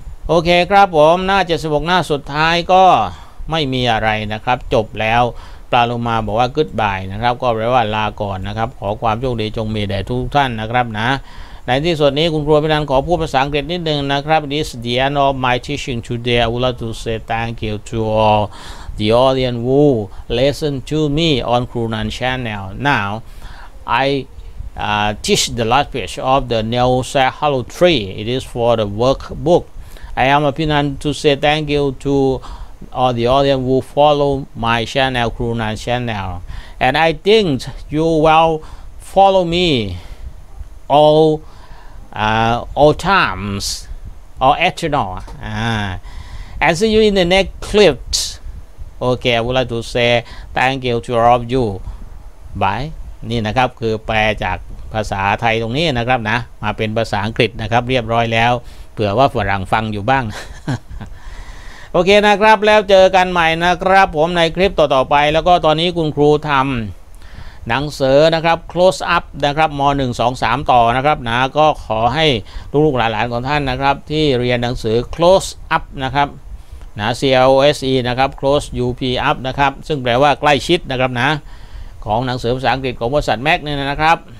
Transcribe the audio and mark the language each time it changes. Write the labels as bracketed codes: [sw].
[th] โอเคครับผมหน้า76หน้าสุดท้ายก็ไม่มีอะไรนะครับจบแล้วปลาลงมาบอกว่ากู๊ดบายนะครับก็แปลว่าลาก่อนนะครับขอความโชคดีจงมีแด่ทุกท่านนะครับนะในที่สุดนี้คุณครูพินันขอพูดภาษาอังกฤษนิดนึงนะครับ [en] This is the end of my teaching today. I would like to say thank you to all the audience who listen to me on Krunan channel. Now, I teach the last page of the Neo Sai Hello Tree. It is for the workbook. I am Pinan to say thank you to all the audience who follow my channel, Krunan channel. And I think you will follow me all times or eternal and see you in the next clip. Okay, I would like to say thank you to all of you. Bye. [th] นี่นะครับคือแปลจากภาษาไทยตรงนี้นะครับนะมาเป็นภาษาอังกฤษนะครับเรียบร้อยแล้วเผื่อว่าฝรั่งฟังอยู่บ้าง โอเคนะครับแล้วเจอกันใหม่นะครับผมในคลิปต่อไปแล้วก็ตอนนี้คุณครูทำหนังสือนะครับ close up นะครับม1 2 3ต่อนะครับนะก็ขอให้ลูกหลานของท่านนะครับที่เรียนหนังสือ close up นะครับนะ close นะครับ close up นะครับซึ่งแปลว่าใกล้ชิดนะครับนะของหนังสือภาษาอังกฤษของบริษัทแม็กเนี่ยนะครับ